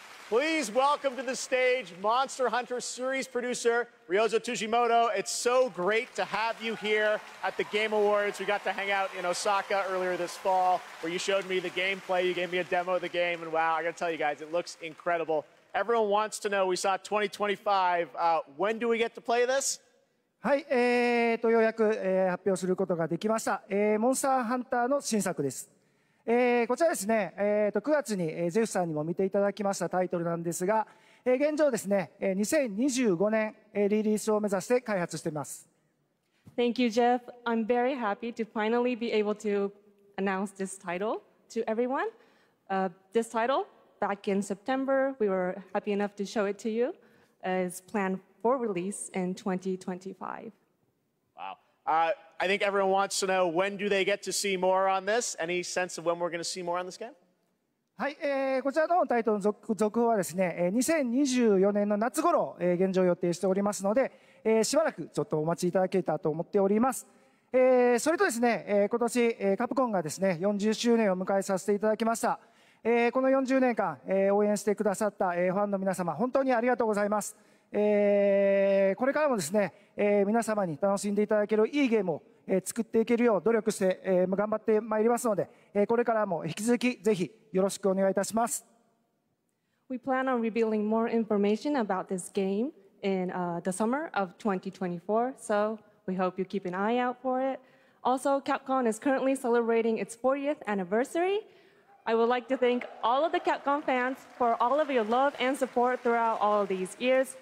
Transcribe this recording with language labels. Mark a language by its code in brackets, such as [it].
[en] Please welcome to the stage Monster Hunter series producer Ryozo Tsujimoto. It's so great to have you here at the Game Awards. We got to hang out in Osaka earlier this fall where you showed me the gameplay. You gave me a demo of the game, and wow, I gotta tell you guys, it looks incredible. Everyone wants to know, we saw 2025. When do we get to play this? [ja] はい、ようやく、発表することができました。モンスターハンターの新作です。こちらですね、9月にゼフさんにも見ていただきましたタイトルなんですが、現状ですね、2025年リリースを目指して開発しています。 [en] Thank you, Jeff. I'm very happy to finally be able to announce this title to everyone. This title, back in September, we were happy enough to show it to you, is planned for release in 2025. Wow. I think everyone wants to know, when do they get to see more on this? Any sense of when we're going to see more on this game? [ja] はい、こちらのタイトルの 続報はですね、2024年の夏ごろ、現状予定しておりますので、しばらくちょっとお待ちいただけたと思っております。それとですね、今年カプコンがですね40周年を迎えさせていただきました。この40年間、応援してくださった、ファンの皆様本当にありがとうございます。これからもですね、皆様に楽しんでいただけるいいゲームを作っていけるよう努力して頑張ってまいりますので、これからも引き続きぜひよろしくお願いいたします。 [en] We plan on revealing more information about this game in the summer of 2024, so we hope you keep an eye out for it. Also, Capcom is currently celebrating its 40th anniversary. I would like to thank all of the Capcom fans for all of your love and support throughout all of these years.